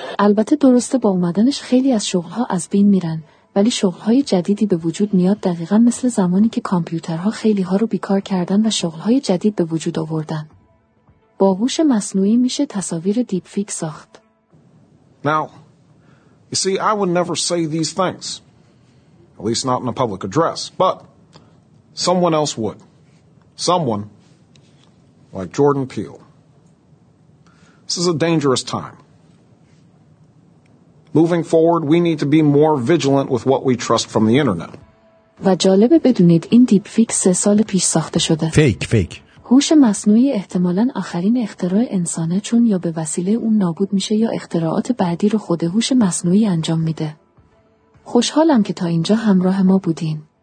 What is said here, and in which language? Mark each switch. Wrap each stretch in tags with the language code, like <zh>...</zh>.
<fa>البته درسته با اومدنش خیلی از شغلها از بین میرن، ولی شغلهای جدیدی به وجود میاد، دقیقا مثل زمانی که کامپیوترها خیلیها رو بیکار کردن و شغلهای جدید به وجود آوردن. با هوش مصنوعی میشه تصاویر دیپ فیک ساخت.</fa> <en>Now, you see, I would never say these things. At least not in a public address. But someone else would. Someone like Jordan Peele. This is a dangerous time. Moving forward, we need to be more vigilant with what we trust from the internet.</en> <fa>و جالبه بدونید این دیپ فیک 3 سال پیش ساخته شده. فیک. هوش مصنوعی احتمالاً آخرین اختراع انسانه، چون یا به وسیله اون نابود میشه یا اختراعات بعدی رو خود هوش مصنوعی انجام میده. خوشحالم که تا اینجا همراه ما بودین.</fa>